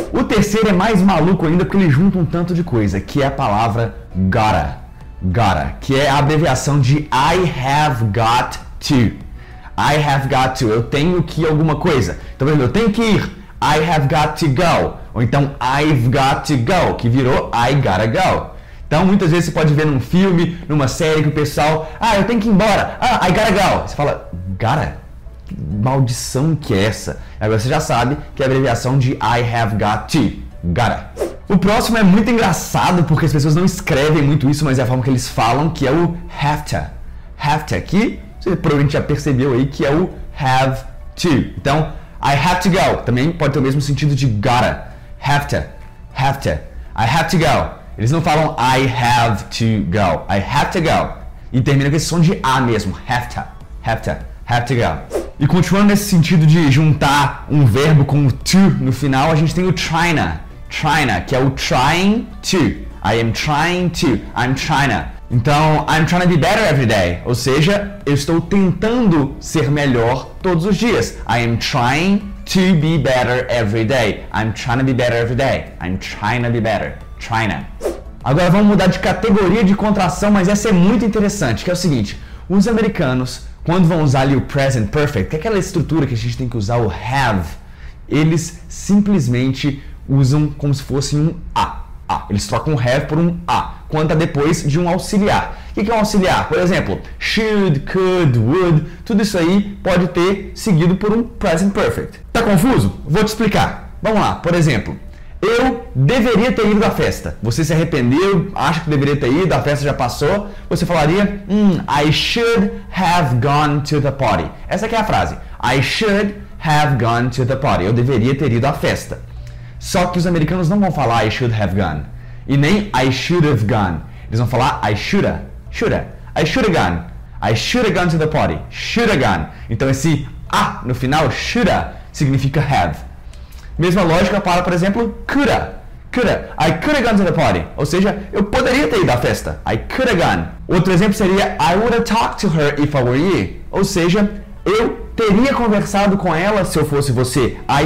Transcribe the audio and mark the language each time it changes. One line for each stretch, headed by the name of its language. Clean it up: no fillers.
Portuguese: O terceiro é mais maluco ainda porque ele junta um tanto de coisa, que é a palavra gotta. Gotta, que é a abreviação de I have got to.
English: I have got to,
Portuguese: eu tenho que ir alguma coisa. Então, eu tenho que ir,
English: I have got to go.
Portuguese: Ou então,
English: I've got to go,
Portuguese: que virou
English: I gotta go.
Portuguese: Então, muitas vezes você pode ver num filme, numa série, que o pessoal, ah, eu tenho que ir embora, ah,
English: I gotta go.
Portuguese: Você fala, gotta? Que maldição que é essa? Agora você já sabe que é a abreviação de I have got to, gotta. O próximo é muito engraçado, porque as pessoas não escrevem muito isso, mas é a forma que eles falam, que é o have to. Have to, que você provavelmente já percebeu aí que é o have to. Então,
English: I have to go.
Portuguese: Também pode ter o mesmo sentido de gotta.
English: Have to. Have to. I have to go.
Portuguese: Eles não falam
English: I have to go. I have to go.
Portuguese: E termina com esse som de A mesmo.
English: Have to. Have to. Have to go.
Portuguese: E continuando nesse sentido de juntar um verbo com o to no final, a gente tem o trying.
English: Trying,
Portuguese: que é o
English: trying to. I am trying to. I'm trying. Então, I'm trying to be better every day.
Portuguese: Ou seja, eu estou tentando ser melhor todos os dias.
English: I am trying to be better every day. I'm trying to be better every day. I'm trying to be better. Trying.
Portuguese: Agora vamos mudar de categoria de contração, mas essa é muito interessante, que é o seguinte. Os americanos, quando vão usar ali o present perfect, que é aquela estrutura que a gente tem que usar o have, eles simplesmente usam como se fosse um A. Eles trocam o have por um A. Conta depois de um auxiliar, O que é um auxiliar? Por exemplo, should, could, would, tudo isso aí pode ter seguido por um present perfect. Tá confuso? Vou te explicar. Vamos lá, por exemplo, eu deveria ter ido à festa. Você se arrependeu, acha que deveria ter ido, a festa já passou. Você falaria,
English: I should have gone to the party.
Portuguese: Essa aqui é a frase.
English: I should have gone to the party.
Portuguese: Eu deveria ter ido à festa. Só que os americanos não vão falar
English: I should have gone.
Portuguese: E nem
English: I should have gone.
Portuguese: Eles vão falar
English: I shoulda. Shoulda. I shoulda gone. I shoulda gone to the party. Shoulda gone.
Portuguese: Então esse A no final, shoulda, significa have. Mesma lógica para, por exemplo, coulda. Coulda.
English: I coulda gone to the party.
Portuguese: Ou seja, eu poderia ter ido à festa.
English: I coulda gone.
Portuguese: Outro exemplo seria
English: I woulda talked to her if I were you.
Portuguese: Ou seja, eu teria conversado com ela se eu fosse você.